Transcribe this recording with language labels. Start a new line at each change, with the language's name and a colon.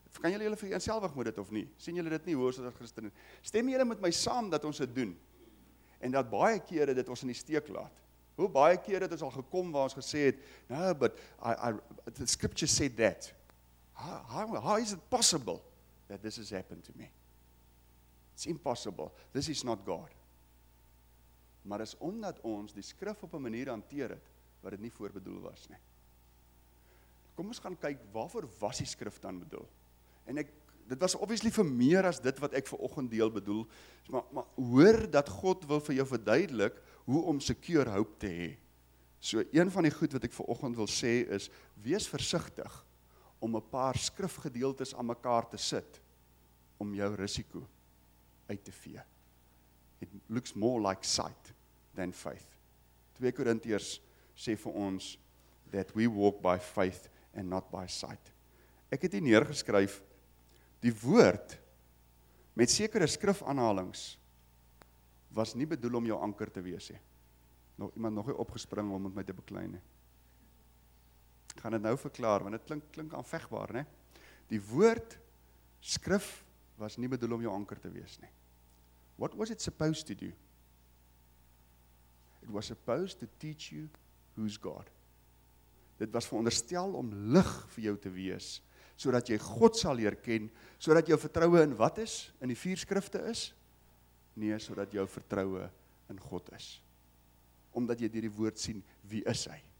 Afrikaans: Kan julle vir jouself wag moet dit of nie? Sien julle dit nie hoor as Christen? Stem julle met my saam dat ons dit doen? En dat baie kere dit ons in die steek laat. Hoe baie kere het ons al gekom waar ons gesê het,
English: no, but the scripture said that. How is it possible that this has happened to me? It's impossible. This is not God.
Afrikaans: Maar is omdat ons die skrif op 'n manier hanteer het, wat dit nie voorbedoel was nie. Kom ons gaan kyk, waarvoor was die skrif dan bedoel? En dit was obviously vir meer as dit wat ek vanoggend deel bedoel. Maar hoor dat God wil vir jou verduidelik hoe om secure hoop te hê. So een van die goed wat ek vanoggend wil sê is, wees versigtig om 'n paar skrifgedeeltes aan mekaar te sit om jou risiko uit te vee.
English: It looks more like sight than faith.
Afrikaans: 2 Korintiërs sê vir ons
English: that we walk by faith and not by sight.
Afrikaans: Ek het hier neergeskryf die woord met sekere skrifaanhalings was nie bedoel om jou anker te wees nie. nog iemand nog opgespring om met my te beklein nie. Ek gaan dit nou verklaar, want dit klink aanvegbaar, nie? Die woord skrif was nie bedoel om jou anker te wees nie.
English: What was it supposed to do? It was supposed to teach you who's God.
Afrikaans: Dit was veronderstel om lig vir jou te wees, sodat jy God sal leer ken, sodat jou vertroue in wat is? In die vier skrifte is? Nee, sodat jou vertroue in God is. Omdat jy deur die woord sien, wie is hy?